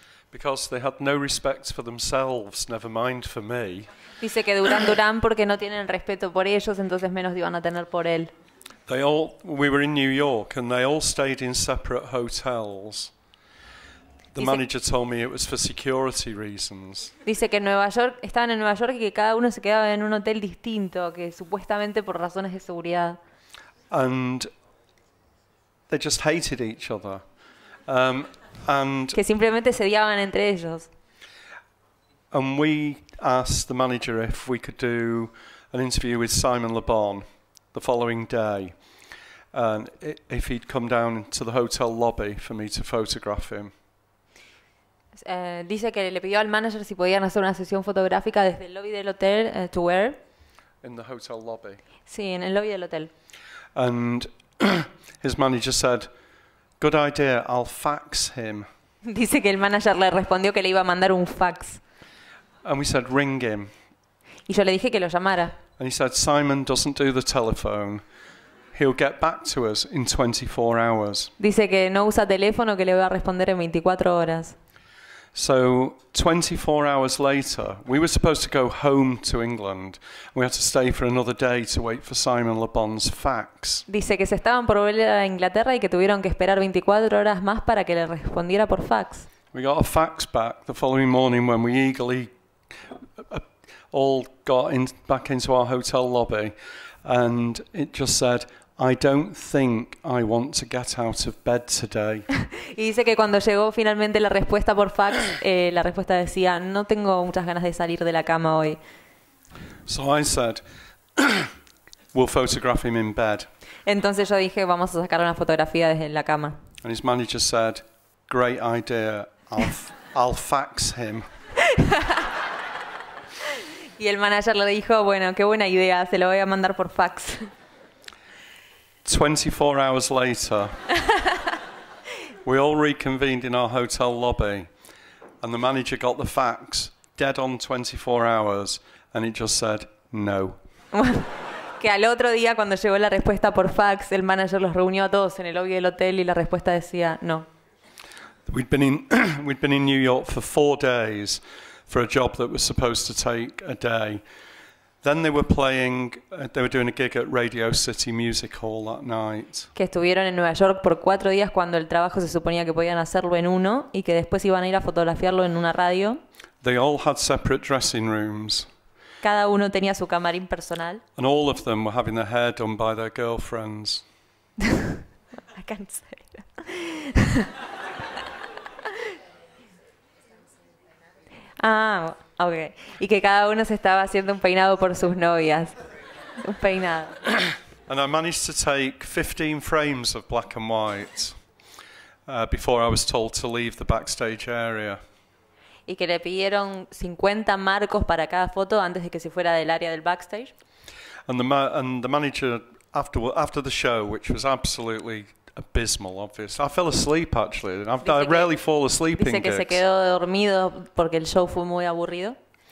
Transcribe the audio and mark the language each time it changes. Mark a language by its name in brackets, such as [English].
[English] Because they had no respect for themselves, never mind for me. [Spanish] Dice que Duran Duran porque no tienen respeto por ellos, entonces menos iban a tener por él. [English] We were in New York and they all stayed in separate hotels. The manager told me it was for security reasons. [Spanish] Dice que estaban en Nueva York y que cada uno se quedaba en un hotel distinto, que supuestamente por razones de seguridad. [English] And they just hated each other. [Spanish] Que simplemente se odiaban entre ellos. [English] And we asked the manager if we could do an interview with Simon Le Bon the following day, and if he'd come down to the hotel lobby for me to photograph him. [Spanish] Dice que le pidió al manager si podían hacer una sesión fotográfica desde el lobby del hotel, [English] to where? In the hotel lobby. [Spanish] Sí, en el lobby del hotel. [English] And his manager said, "Good idea, I'll fax him." [Spanish] Dice que el manager le respondió que le iba a mandar un fax. [English] And we said, "Ring him." [Spanish] Y yo le dije que lo llamara. [English] And he said, "Simon doesn't do the telephone. He'll get back to us in 24 hours." [Spanish] Dice que no usa teléfono, que le va a responder en 24 horas. [English] So 24 hours later, we were supposed to go home to England. We had to stay for another day to wait for Simon Le Bon's fax. [Spanish] Dice que se estaban por volver a Inglaterra y que tuvieron que esperar 24 horas más para que le respondiera por fax. [English] We got a fax back the following morning when we eagerly all got back into our hotel lobby, and it just said, "I don't think I want to get out of bed today." [Spanish] Y dice que cuando llegó finalmente la respuesta por fax, la respuesta decía, "No tengo muchas ganas de salir de la cama hoy." [English] So I said, "We'll photograph him in bed." [Spanish] Entonces yo dije, "Vamos a sacar una fotografía desde la cama." [English] And his manager said, "Great idea, I'll fax him." [Spanish] Y el manager le dijo, "Bueno, qué buena idea, se lo voy a mandar por fax." [English] 24 hours later, we all reconvened in our hotel lobby, and the manager got the fax dead on 24 hours, and it just said no. [Spanish] Que al otro día, cuando llegó la respuesta por fax, el manager los reunió a todos en el lobby del hotel y la respuesta decía no. [English] We'd been in New York for 4 days for a job that was supposed to take a day, Then they were playing, they were doing a gig at Radio City Music Hall that night. [Spanish] Que estuvieron en Nueva York por cuatro días cuando el trabajo se suponía que podían hacerlo en uno y que después iban a ir a fotografiarlo en una radio. [English] They all had separate dressing rooms. [Spanish] Cada uno tenía su camarín personal. [English] And all of them were having their hair done by their girlfriends. I can't say that. Ah, okay. [Spanish] Y que cada uno se estaba haciendo un peinado por sus novias. Un peinado. [English] And I managed to take 15 frames of black and white before I was told to leave the backstage area. [Spanish] Y que le pidieron 50 marcos para cada foto antes de que se fuera del área del backstage. [English] And the manager after the show, which was absolutely abysmal, obviously. I fell asleep, actually. I rarely fall asleep in gigs. [Spanish] Dice que se quedó dormido porque el show fue muy aburrido.